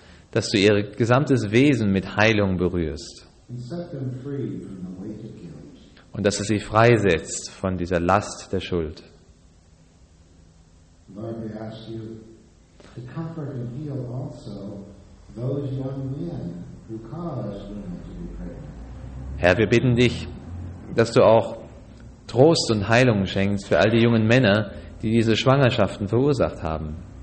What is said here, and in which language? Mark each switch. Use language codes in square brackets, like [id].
[de] Dass du ihr gesamtes Wesen mit Heilung berührst. Und dass du sie freisetzt von dieser Last der Schuld. [en] Lord, we ask you to comfort and heal also those young men who cause women to be pregnant. [de] Herr, wir bitten dich, dass du auch Trost und Heilung schenkst für all die jungen Männer, die diese Schwangerschaften verursacht haben